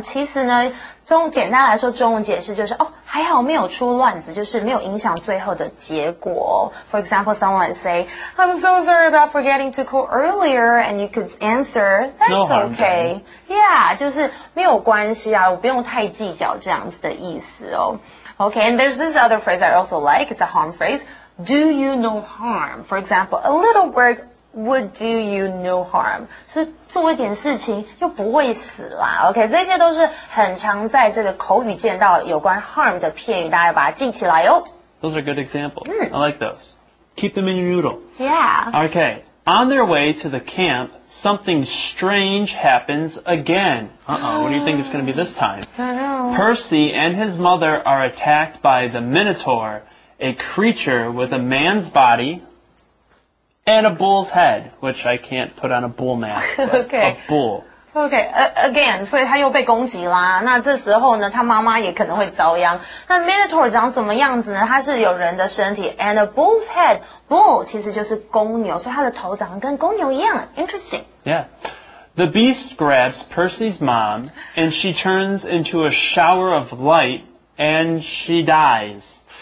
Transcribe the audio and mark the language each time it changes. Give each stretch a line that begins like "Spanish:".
Chinese: 其实呢中简单来说，中文解释就是哦，还好没有出乱子，就是没有影响最后的结果。
English: For example, someone would say, "I'm so sorry about forgetting to call earlier," and you could answer, "That's okay."
Chinese: Yeah, 就是没有关系啊，我不用太计较这样子的意思哦。
English: Okay, and there's this other phrase I also like. It's a harm phrase. Do you no harm? For example, a little work would do you no harm.
Chinese: 是做一点事情又不会死啦。 OK, 这些都是很常在这个口语见到有关 harm 的片语，大家把它记起来哦。
English: Those are good examples.、I like those. Keep them in your noodle. Yeah. Okay, on their way to the camp, something strange happens again. Uh-oh, what do you think it's going to be this time? I don't know. Percy and his mother are attacked by the Minotaur, a creature with a man's body... And a bull's head, which I can't put on a bull mask, okay. A bull. Okay, again,
Chinese: 所以他又被攻击啦。那这时候呢，他妈妈也可能会遭殃。那 Minotaur 长什么样子呢？他是有人的身体。
English: And a bull's head.
Chinese: Bull 其实就是公牛，所以他的头长跟公牛一样。
English: Interesting. Yeah. The beast grabs Percy's mom, and she turns into a shower of light, and she dies.